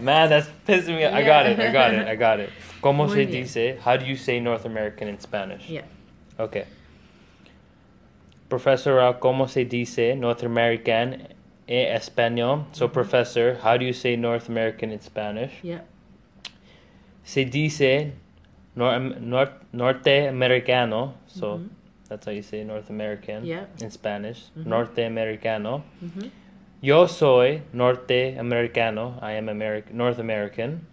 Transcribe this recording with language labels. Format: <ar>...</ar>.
<en>Man, that's pissing me off. Yeah. I got it.</en> <es>¿Cómo se dice?</es> <en>How do you say North American in Spanish? Yeah. Okay.</en> <es>Profesora, ¿cómo se dice North American en español?</es> <en>So, professor, how do you say North American in Spanish? Yeah.</en> <es>Se dice Norte Americano. So, mm-hmm.</es> <en>that's how you say North American yeah. in Spanish. Mm-hmm. Norte Americano. Mm-hmm.</en> <es>Yo soy Norte Americano.</es> <en>I am North American.</en>